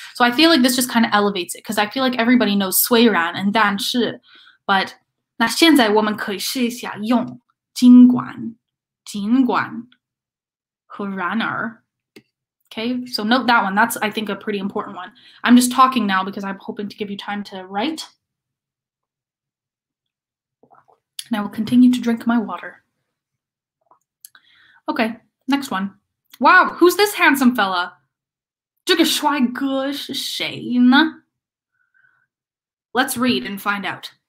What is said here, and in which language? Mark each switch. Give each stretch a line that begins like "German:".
English: So I feel like this just kind of elevates it, because I feel like everybody knows 虽然 and 但是。 But
Chinese: 那现在我们可以试一下用尽管和然而。
English: Okay, so note that one. That's, I think, a pretty important one. I'm just talking now because I'm hoping to give you time to write. I will continue to drink my water. Okay. Next one. Wow, who's this handsome fella?
Chinese: 这个帅哥是谁呢？
English: Let's read and find out.